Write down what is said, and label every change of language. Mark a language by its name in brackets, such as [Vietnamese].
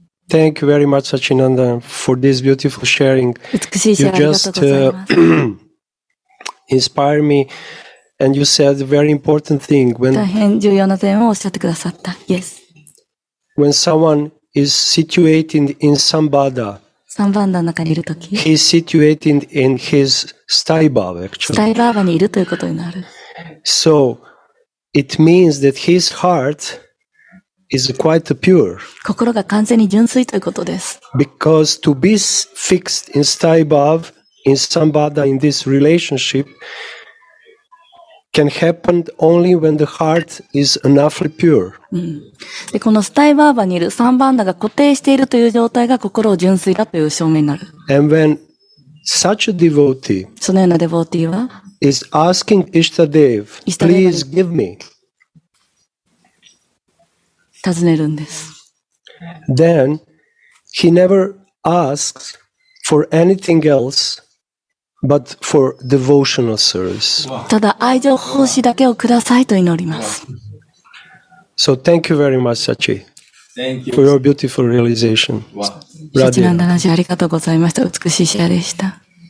[English] Thank you very much, Sachinanda, for this beautiful sharing. You just inspire me, and you said a very important thing. [Japanese] When, 大変重要な点をおっしゃってくださった。 Yes. [English] When someone is situated in sambandha, [Japanese] sambandha の中にいるとき、 [English] he is situated in his sthayibhava, actually. [Japanese] sthayibhava にいるということになる。 [English] So, it means that his heart is quite pure. [Japanese] 心が完全に純粋ということです。 [English] Because to be fixed in sthayibhava, in sambandha, in this relationship, can happen only when the heart is enoughly pure. [Japanese] で、このsthayibhava にいる、サンバンダが固定しているという状態が心を純粋だという証明になる。 [English] And when such a devotee, [Japanese] そのようなデボーティーは、 [English] is asking Ishtadev, please give me. [Japanese] 尋ねるんです。 [English] Then he never asks for anything else but for devotional service. [Japanese] ただ愛情奉仕だけをくださいと祈ります。 [English] So thank you very much, Sachi. Thank you for your beautiful realization. [Japanese] Sachi Nandanaji, ありがとうございました。美しいシェアでした。